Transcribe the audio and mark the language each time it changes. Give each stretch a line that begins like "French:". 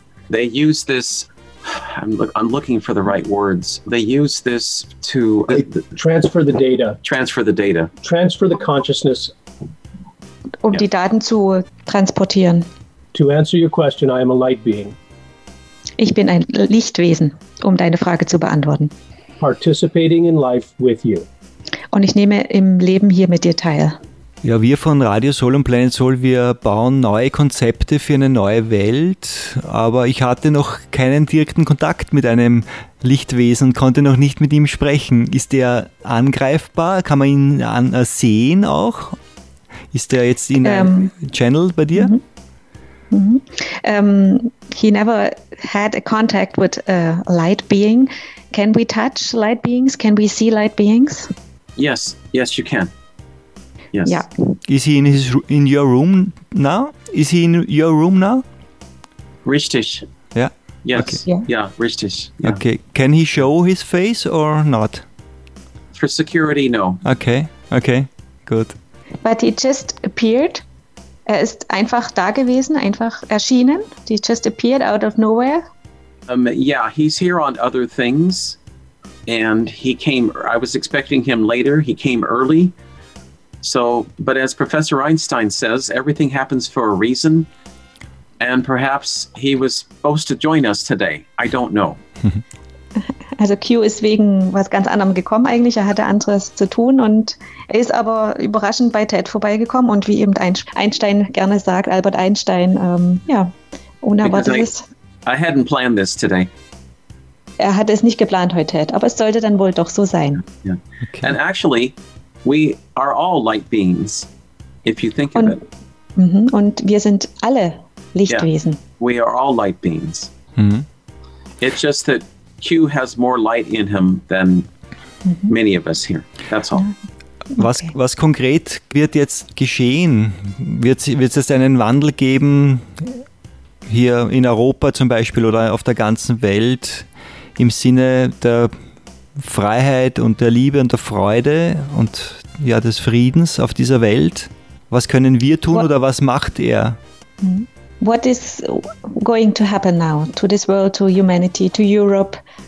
English: They use this. I'm looking for the right words. They use this to transfer the data. Transfer the data. Transfer the consciousness.
German: Die Daten zu transportieren.
English: To answer your question, I am a light being.
German: Ich bin ein Lichtwesen, deine Frage zu beantworten.
English: Participating in life with you.
German: Und ich nehme im Leben hier mit dir teil. Ja, wir von Radio Sol und Planet Sol, wir bauen neue Konzepte für eine neue Welt, aber ich hatte noch keinen direkten Kontakt mit einem Lichtwesen und konnte noch nicht mit ihm sprechen. Ist der angreifbar? Kann man ihn sehen auch? Ist der jetzt in einem Channel bei dir?
English: He never had a contact with a light being. Can we touch light beings? Can we see light beings? Yes, yes, you can. Yes. Yeah. Is he in your room now? Is he in your room now?
German: Richtig.
English: Yeah. Yes. Okay. Yeah. Yeah, richtig. Yeah. Okay. Can he show his face or not? For security, no. Okay. Okay. Good. But he just appeared.
German: Er ist einfach da gewesen, einfach erschienen.
English: He just appeared out of nowhere. Yeah, he's here on other things. And he came, I was expecting him later. He came early. So, but as Professor Einstein says, everything happens for a reason. And perhaps he was supposed to join us today. I don't know.
German: Also Q ist wegen was ganz anderem gekommen eigentlich. Er hatte anderes zu tun und er ist aber überraschend bei Ted vorbeigekommen. Und wie eben Einstein gerne sagt, Albert Einstein, ja, unerwartetes.
English: I hadn't planned this today.
German: Er hatte es nicht geplant heute, Ted, aber es sollte dann wohl doch so sein.
English: Yeah. Okay. And actually, we are all light beings, if you think of it.
German: Und wir sind alle Lichtwesen.
English: Yeah. We are all light beings. It's just that Q has more light in him than many of us here. That's all.
German: Was konkret wird jetzt geschehen? Wird es einen Wandel geben hier in Europa zum Beispiel oder auf der ganzen Welt im Sinne der Freiheit und der Liebe und der Freude und ja des Friedens auf dieser Welt? Was können wir tun oder was macht er?
English: What is going to happen now to this world, to humanity, to Europe?